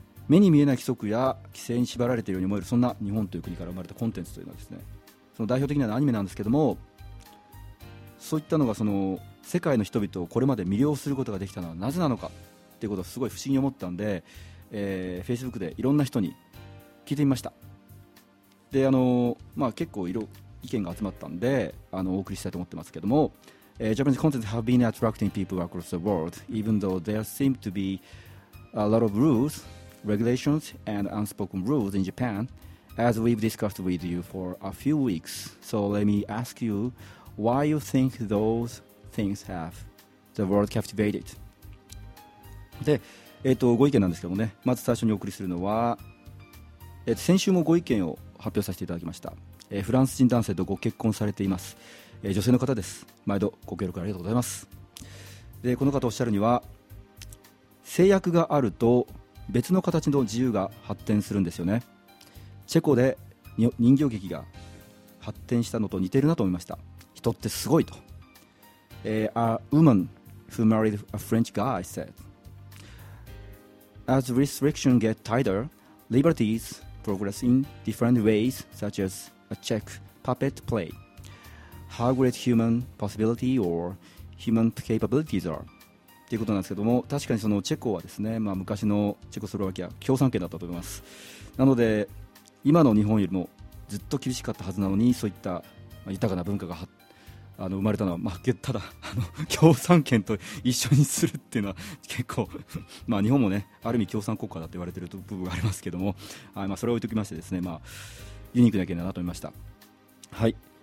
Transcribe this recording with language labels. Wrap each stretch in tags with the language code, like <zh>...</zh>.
<ja>目に見えない規則や規制に縛られているように思える、そんな日本という国から生まれたコンテンツというのはですね、その代表的なアニメなんですけども、そういったのがその世界の人々をこれまで魅了することができたのはなぜなのかということをすごい不思議に思ったんで、 Facebook でいろんな人に聞いてみました。で、まあ、結構いろ意見が集まったんで、お送りしたいと思ってますけども、</ja> <en>Japanese content have been attracting people across the world, even though there seem to be a lot of rules, regulations, and unspoken rules in Japan, as we've discussed with you for a few weeks. So let me ask you, why you think those things have the world captivated?</en> <ja>で、ご意見なんですけどもね、まず最初にお送りするのは、先週もご意見を発表させていただきました。フランス人男性とご結婚されています、女性の方です。毎度ご協力ありがとうございます。で、この方おっしゃるには、制約があると別の形の自由が発展するんですよね。チェコで人形劇が発展したのと似てるなと思いました。人ってすごいと、</ja> <en>A woman who married a French guy said, As restrictions get tighter, liberties progress in different ways, such as a Czech puppet play. How great human possibility or human capabilities are.</en> <ja>ということなんですけども、確かにそのチェコはですね、まあ、昔のチェコスロバキア共産圏だったと思います。なので今の日本よりもずっと厳しかったはずなのに、そういった豊かな文化が生まれたのは、まあ、ただ共産圏と一緒にするっていうのは結構まあ日本もね、ある意味共産国家だと言われている部分がありますけども、はい、まあ、それを置いておきましてですね、まあ、ユニークな県だなと思いました。はい。</ja>